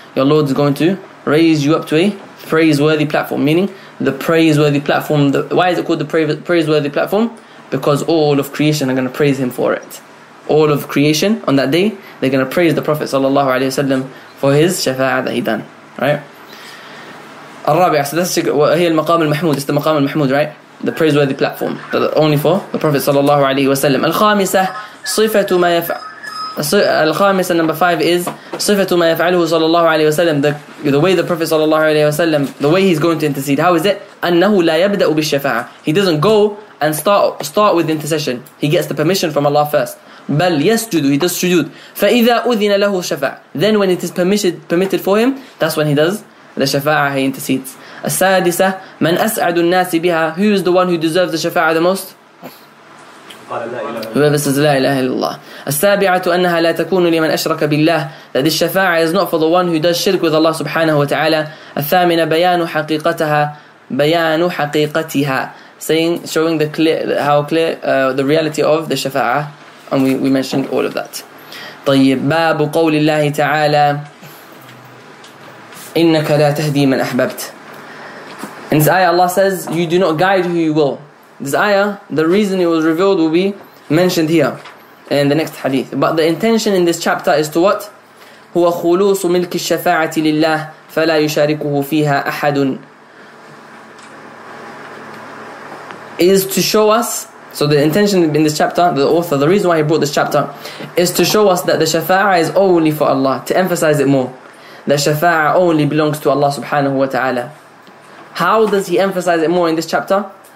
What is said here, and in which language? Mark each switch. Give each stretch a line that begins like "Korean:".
English: Your Lord is going to raise you up to a praiseworthy platform, meaning the praiseworthy platform. Why is it called the praiseworthy platform? Because all of creation are going to praise Him for it. All of creation on that day, they're going to praise the Prophet sallallahu alayhi wasallam for his shafa'ah that he done. Right? So that's
Arabic: هي المقام المحمود.
English: It's the maqam al-mahmood, right? The praiseworthy platform, but only for the Prophet sallallahu alayhi wasallam.
Arabic: الخامسة صفة ما يفعل. الخامسة,
English: number five is
Arabic: صفة ما يفعله صلى الله عليه وسلم.
English: The way the Prophet صلى الله عليه وسلم, the way he's going to intercede, how is it?
Arabic: أنه لا يبدأ بالشفاعة.
English: He doesn't go and start with intercession. He gets the permission from Allah first.
Arabic: بل يسجد,
English: he does sujood.
Arabic: فإذا أذن له الشفاعة,
English: then when it is permitted for him, that's when he does the شفاعة, he intercedes.
Arabic: السادسة, من أسعد الناس بها.
English: Who is the one who deserves the شفاعة the most? Whoever says
Arabic: لا إله إلا الله. السابعة أنها لا تكون لمن أشرك بالله.
English: That this شفاعة is not for the one who does shirk with Allah سبحانه وتعالى.
Arabic: الثامنة بيان حقيقتها. بيان حقيقتها,
English: saying, showing the clear, how clear the reality of the شفاعة. And we mentioned all of that.
Arabic: طيب, باب قول الله تعالى إنك لا تهدي من أحببت.
English: In this ayah Allah says, you do not guide who you will. This ayah, the reason it was revealed will be mentioned here in the next hadith. But the intention in this chapter is to what?
Arabic: هو خلوص ملك الشفاعة لله فلا يشاركه فيها أحد.
English: Is to show us, so the intention in this chapter, the author, the reason why he brought this chapter, is to show us that the shafa'ah is only for Allah, to emphasize it more. The shafa'ah only belongs to Allah subhanahu wa ta'ala. How does he emphasize it more in this chapter?